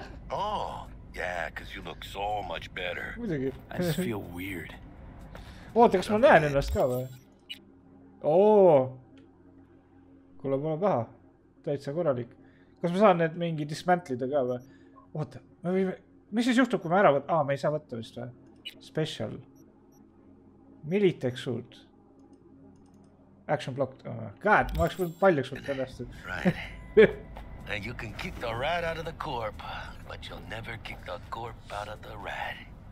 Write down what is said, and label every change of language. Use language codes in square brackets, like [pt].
[en] Oh, yeah, because you look so much better. I just feel weird. [et] Oota, kas ma näen ennast ka või? Oo! Kuule, pole paha. Täitsa korralik. Kas ma saan need mingi dismantlida ka või? Oota, me võime... Mis siis juhtub, kui me ära võtta? Ah, me ei saa võtta vist või? [en] Special. Militex suit. Action blocked. [et] God, ma oleks võinud paljaks võtta ennast. [en] Right. And you can kick the rat out of the corp, but you'll never kick the corp out of the rat.